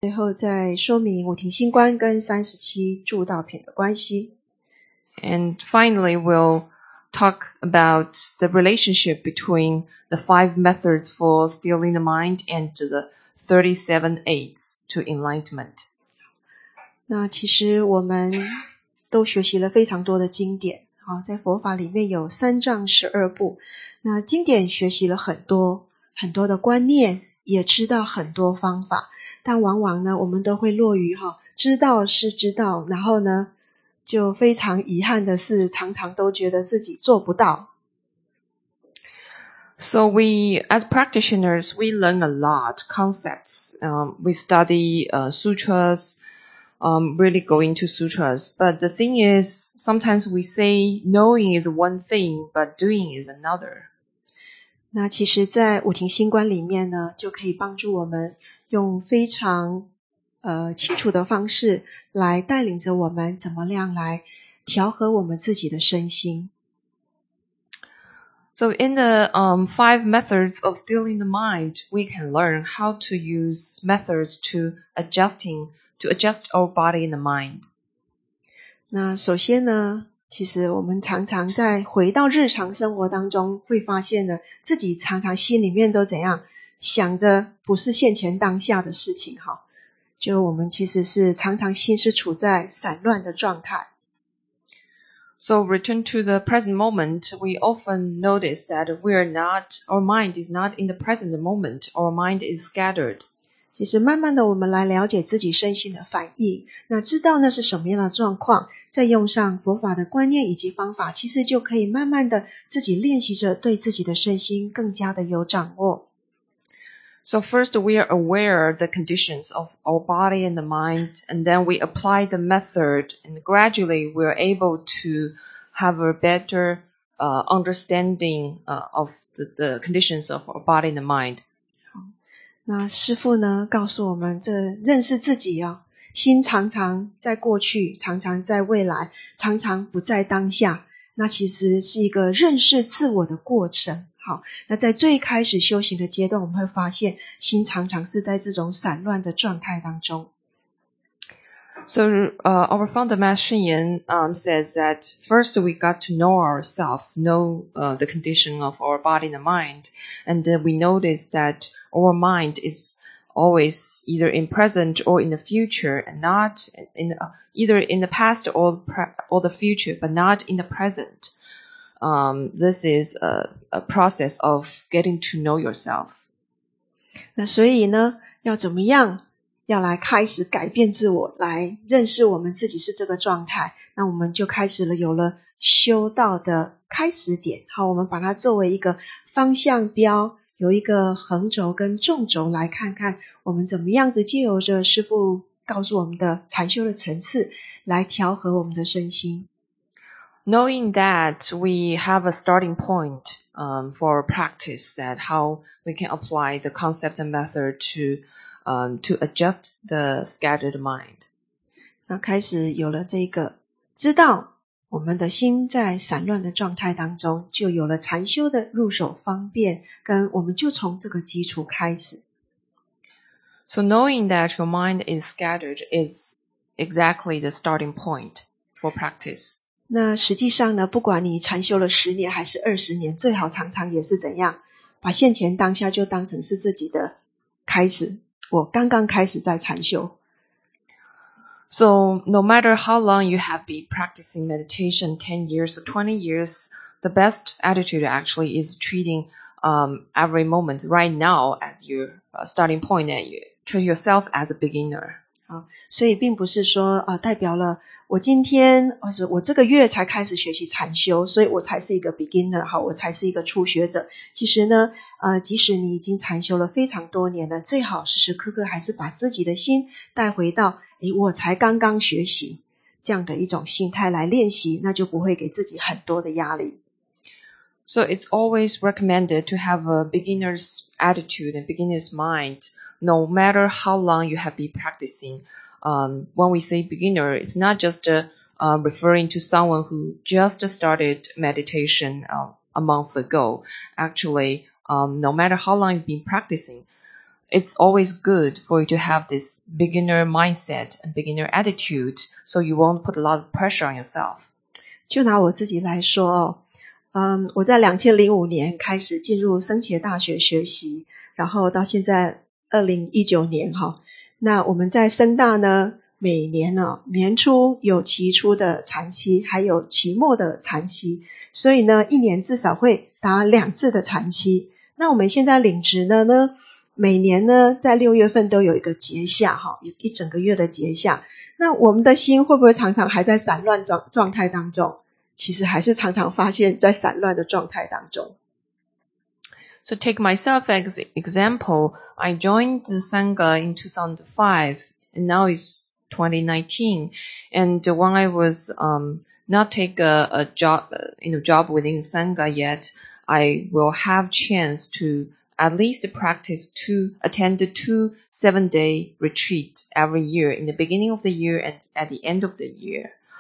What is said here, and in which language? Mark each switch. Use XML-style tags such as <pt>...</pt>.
<zh>最后再说明五庭新官跟三十七铸道品的关系。</zh> <en>And finally, we'll talk about the relationship between the five methods for stilling the mind and the 37 aids to enlightenment.</en> <zh>那其实我们都学习了非常多的经典，在佛法里面有三藏十二部，那经典学习了很多很多的观念，也知道很多方法，但往往呢我们都会落于知道是知道，然后呢就非常遗憾的是常常都觉得自己做不到。</zh> <en>So we, as practitioners, we learn a lot concepts. We study sutras, really go into sutras. But the thing is, sometimes we say knowing is one thing, but doing is another.</en> <zh>那其实在五庭新观里面呢就可以帮助我们用非常清楚的方式来带领着我们怎么样来调和我们自己的身心。</zh> <en>So in the five methods of stilling the mind, we can learn how to use methods to adjust our body and the mind.</en> <zh>那首先呢，其实我们常常在回到日常生活当中会发现呢，自己常常心里面都怎样，想着不是现前当下的事情哈，就我们其实是常常心是处在散乱的状态。</zh> <en>So return to the present moment, we often notice that we are not, our mind is not in the present moment, our mind is scattered.</en> <zh>其实慢慢的我们来了解自己身心的反应，那知道那是什么样的状况，再用上佛法的观念以及方法，其实就可以慢慢的自己练习着对自己的身心更加的有掌握。</zh> <en>So first we are aware of the conditions of our body and the mind, and then we apply the method, and gradually we are able to have a better understanding of the conditions of our body and the mind.</en> <zh>那师父呢告诉我们这认识自己心常常在过去，常常在未来，常常不在当下，那其实是一个认识自我的过程。好，那在最开始修行的阶段，我们会发现心常常是在这种散乱的状态当中。</zh> <en>So, our founder Ma Xinyan says that first we got to know ourselves, know the condition of our body and mind, and we notice that our mind is always either in present or in the future, and not in either in the past or the future, but not in the present. This is a process of getting to know yourself.</en> <zh>那所以呢，要怎么样，要来开始改变自我，来认识我们自己是这个状态，那我们就开始了，有了修道的开始点。好，我们把它作为一个方向标，有一个横轴跟纵轴，来看看我们怎么样子借由着师父告诉我们的禅修的层次，来调和我们的身心。</zh> <en>Knowing that we have a starting point for practice, that how we can apply the concept and method to adjust the scattered mind.</en> <zh>那开始有了这个知道我们的心在散乱的状态当中，就有了禅修的入手方便，跟我们就从这个基础开始。</zh> <en>So knowing that your mind is scattered is exactly the starting point for practice.</en> <zh>那实际上呢，不管你禅修了十年还是二十年，最好常常也是怎样，把现前当下就当成是自己的开始。我刚刚开始在禅修。</zh> <en>So no matter how long you have been practicing meditation, 10 years or 20 years, the best attitude actually is treating every moment right now as your starting point and you treat yourself as a beginner.</en> <zh>好，所以并不是说代表了我今天或是我这个月才开始学习禅修，所以我才是一个 beginner， 好，我才是一个初学者。其实呢，即使你已经禅修了非常多年了，最好时时刻刻还是把自己的心带回到，我才刚刚学习这样的一种心态来练习，那就不会给自己很多的压力。</zh> <en>So it's always recommended to have a beginner's attitude and beginner's mind, no matter how long you have been practicing. When we say beginner, it's not just referring to someone who just started meditation a month ago. Actually, no matter how long you've been practicing, it's always good for you to have this beginner mindset and beginner attitude, so you won't put a lot of pressure on yourself.</en> <zh>就拿我自己来说哦，我在2005年开始进入僧伽大学学习，然后到现在2019年哈，那我们在僧大呢，每年呢，年初有期初的禅期，还有期末的禅期，所以呢，一年至少会达两次的禅期。那我们现在领职的呢，每年呢，在六月份都有一个节下哈，有一整个月的节下。那我们的心会不会常常还在散乱状态当中？其实还是常常发现在散乱的状态当中。</zh> <en>So take myself as example, I joined the Sangha in 2005, and now it's 2019. And when I was not take a job, job within Sangha yet, I will have chance to at least practice attend two 7-day retreat every year in the beginning of the year and at the end of the year.</en>